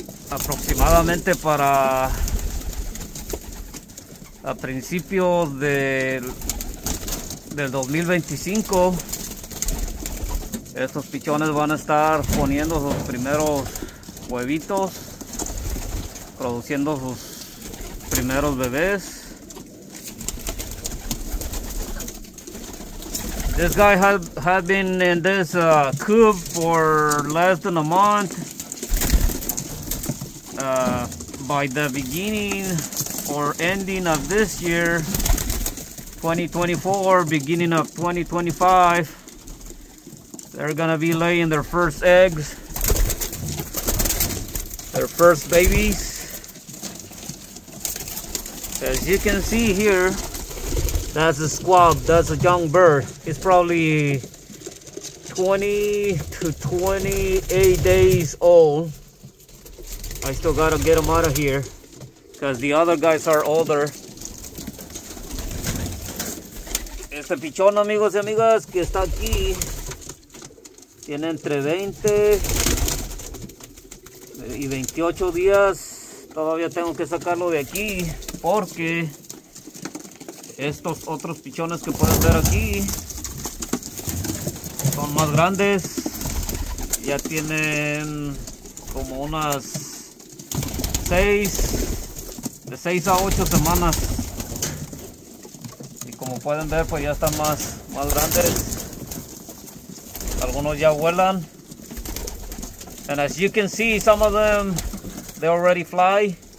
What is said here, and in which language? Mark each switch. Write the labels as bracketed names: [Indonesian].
[Spanish] Aproximadamente para a principios del 2025, estos pichones van a estar poniendo sus primeros huevitos, produciendo sus primeros bebés. [English] This guy had been in this coop for less than a month. By the beginning or ending of this year, 2024, beginning of 2025, they're gonna be laying their first eggs, their first babies. As you can see here, that's a squab, that's a young bird. He's probably 20 to 28 days old. I still gotta get him out of here because the other guys are older. [Spanish] Este pichón, amigos y amigas, que está aquí, tiene entre 20 y 28 días. Todavía tengo que sacarlo de aquí porque estos otros pichones que pueden ver aquí son más grandes. Ya tienen como unas 6, de 6 a 8 semanas. Y como pueden ver, pues ya están más grandes. Algunos ya vuelan. [English] And as you can see, some of them, they already fly.